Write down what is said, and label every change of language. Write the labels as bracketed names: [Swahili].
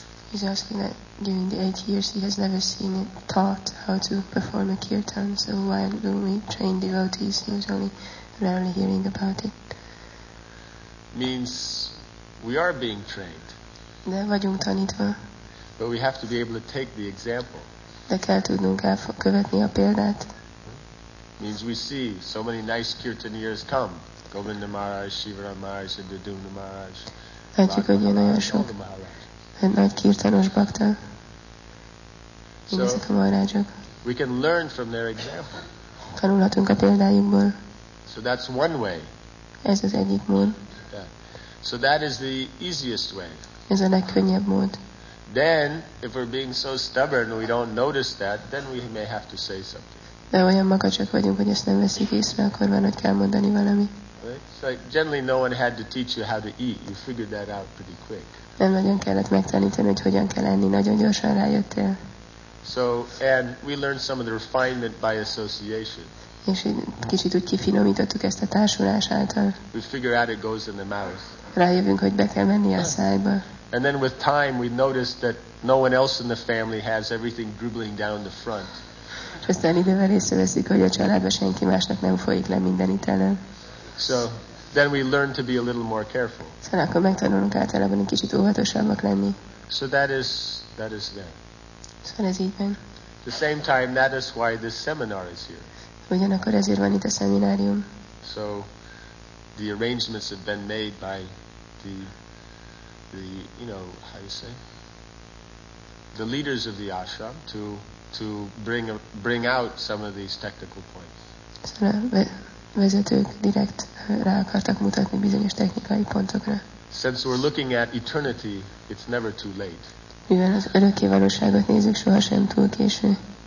[English] He's asking that during the 8 years he has never seen it taught how to perform a kirtan, so why do we train devotees? He was only rarely hearing about it. Means we are being trained. [Hungarian] De vagyunk tanítva. [English] But we have to be able to take the example. [Hungarian] De kell tudnunk követni a példát. [English] Means we see so many nice kirtaniers come. Govinda Maharaj, Shivaram Maharaj, Siddhadumna Maharaj. [Hungarian] Látjuk, hogy jön olyan sok. Egy nagy kirtanos bakta. Ezek a maharádzsok. [English] We can learn from their example. [Hungarian] Tanulhatunk a példájukból. [English] So that's one way. [Hungarian] Ez az egyik mód. [English] Yeah. So that is the easiest way. [Hungarian] Ez a legkönnyebb mód. [English] Then, if we're being so stubborn, we don't notice that, then we may have to say something. [Hungarian] De olyan makacsak vagyunk, hogy ezt nem veszik észre, akkor van, hogy kell mondani valami. [English] So generally no one had to teach you how to eat. You figured that out pretty quick. [Hungarian] Nem nagyon kellett megtanítani, hogy hogyan kell enni. Nagyon gyorsan rájöttél. [English] So, and we learned some of the refinement by association. [Hungarian] És kicsit úgy kifinomítottuk ezt a társulás által. [English] We figure out it goes in the mouth. [Hungarian] Rájövünk, hogy be kell menni a szájba. [English] And then with time we noticed that no one else in the family has everything dribbling down the front. [Hungarian] És aztán idővel észreveszik, hogy a családban senki másnak nem folyik le minden itt elő. [English] So then we learn to be a little more careful. [Hungarian] Szóval akkor megtanulunk általában egy kicsit óvatosabbak lenni. [English] So that is there. [Hungarian] Szóval ez így van. [English] The same time that is why this seminar is here. [Hungarian] Ugyanakkor ezért van itt a szeminárium. [English] So the arrangements have been made by the you know how you say the leaders of the ashram to bring out some of these technical points. [Hungarian] Szóval vezetők direkt rá akartak mutatni bizonyos technikai pontokra. [English] Since we're looking at eternity, it's never too late. [Hungarian] Mivel az örökké valóságot nézzük, sohasem túl késő.